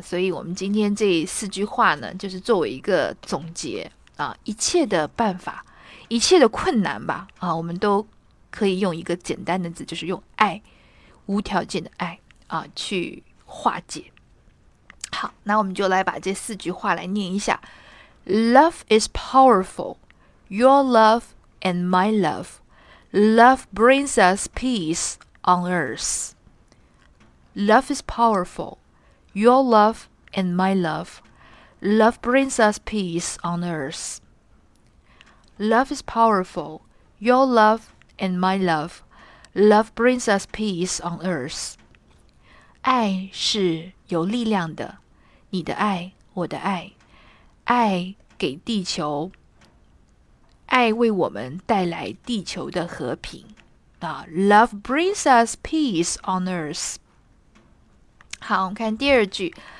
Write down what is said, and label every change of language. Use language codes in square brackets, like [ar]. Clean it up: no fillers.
[zh] 所以我们今天这4句话呢，就是作为一个总结啊，一切的办法，一切的困难吧啊，我们都可以用一个简单的字，就是用爱。无条件的爱啊，去化解。好，那我们就来把这4句话来念一下。 [en] Love is powerful, your love and my love. Love brings us peace on earth. Love is powerful, your love and my love. Love brings us peace on earth. Love is powerful, your love and my love. Love brings us peace on earth. [zh] 爱是有力量的，你的爱，我的爱，爱给地球，爱为我们带来地球的和平。 [en] Love brings us peace on earth. [zh] 好，我们看第二句。